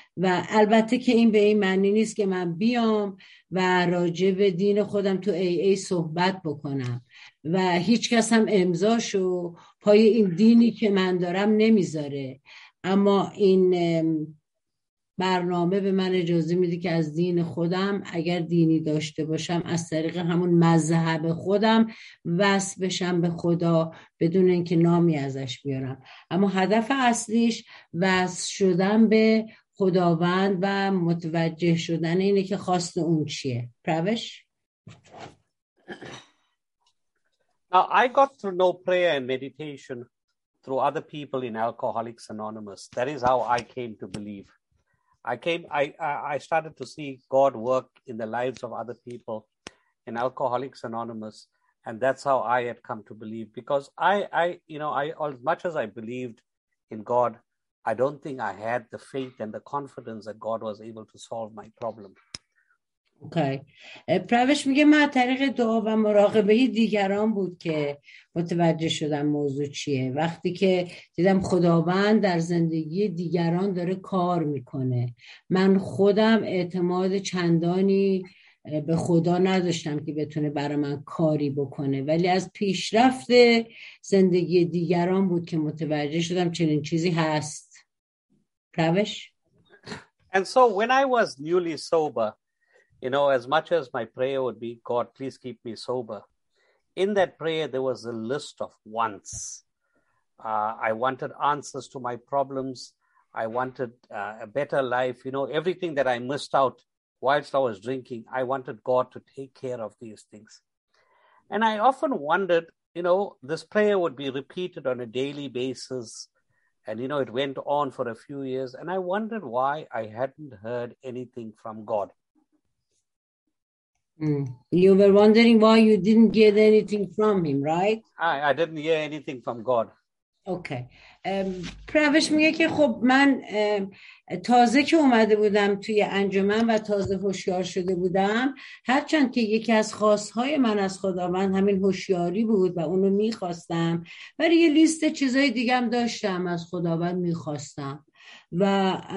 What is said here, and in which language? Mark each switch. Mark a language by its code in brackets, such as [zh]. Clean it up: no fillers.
[fa] و البته که این به این معنی نیست که من بیام و راجع به دین خودم تو ای ای صحبت بکنم و هیچ کس هم امضاشو پای این دینی که من دارم نمیذاره، اما این برنامه به من اجازه میده که از دین خودم، اگر دینی داشته باشم، از طریق همون مذهب خودم وصل بشم به خدا بدون اینکه نامی ازش بیارم. اما هدف اصلیش وصل شدن به خداوند و متوجه شدن اینه که خواست اون چیه. پروش؟ [en] Now, I got to know prayer and meditation through other people in Alcoholics Anonymous. That is how I came to believe. I started to see God work in the lives of other people in Alcoholics Anonymous, and that's how I had come to believe. Because I as much as I believed in God, I don't think I had the faith and the confidence that God was able to solve my problem. [fa] اوکی. پروش میگه من از طریق دعا و مراقبه دیگران بود که متوجه شدم موضوع چیه. وقتی که دیدم خداوند در زندگی دیگران داره کار میکنه، من خودم اعتماد چندانی به خدا نداشتم که بتونه برای من کاری بکنه، ولی از پیشرفت زندگی دیگران بود که متوجه شدم چنین چیزی هست. پروش؟ [en] And so when I was newly sober, you know, as much as my prayer would be, God, please keep me sober, in that prayer, there was a list of wants. I wanted answers to my problems. I wanted a better life. You know, everything that I missed out whilst I was drinking, I wanted God to take care of these things. And I often wondered, you know, this prayer would be repeated on a daily basis. And, you know, it went on for a few years. And I wondered why I hadn't heard anything from God. You were wondering why you didn't get anything from him, right? I didn't hear anything from God. Okay. [fa] پروش میگه که خب من تازه که اومده بودم توی انجمن و تازه هوشیار شده بودم، هرچند که یکی از خواستهای من از خداوند همین هوشیاری بود و اونو میخواستم، ولی یه لیست چیزای دیگه هم داشتم از خداوند میخواستم و